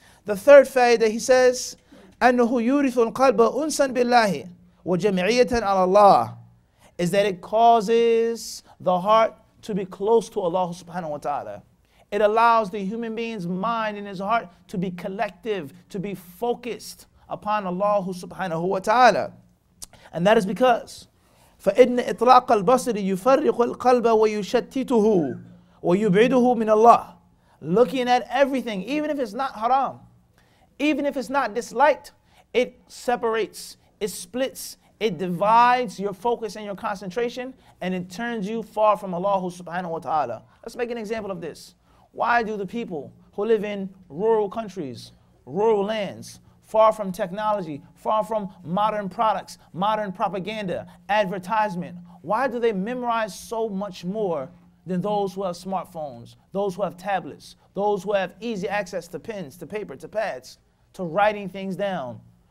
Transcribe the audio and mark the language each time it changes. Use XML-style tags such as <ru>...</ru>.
<en>The third faida, he says,</en> <ar>أَنَّهُ يُورِثُ الْقَلْبَ أُنْسًا بِاللَّهِ وَجَمْعِيَةً عَلَى اللَّهِ,</ar> <en>is that it causes the heart to be close to Allah subhanahu wa ta'ala. It allows the human being's mind and his heart to be collective, to be focused upon Allah subhanahu wa ta'ala. And that is because,</en> <ar>فَإِنَّ إِطْلَاقَ الْبَصْرِ يُفَرِّقُ الْقَلْبَ وَيُشَتِّتُهُ وَيُبْعِدُهُ مِنَ اللَّهِ.</ar> <en>Looking at everything, even if it's not haram, even if it's not disliked, it separates, it splits, it divides your focus and your concentration, and it turns you far from Allah subhanahu wa ta'ala. Let's make an example of this. Why do the people who live in rural countries, rural lands, far from technology, far from modern products, modern propaganda, advertisement, why do they memorize so much more than those who have smartphones, those who have tablets, those who have easy access to pens, to paper, to pads, to writing things down?</en>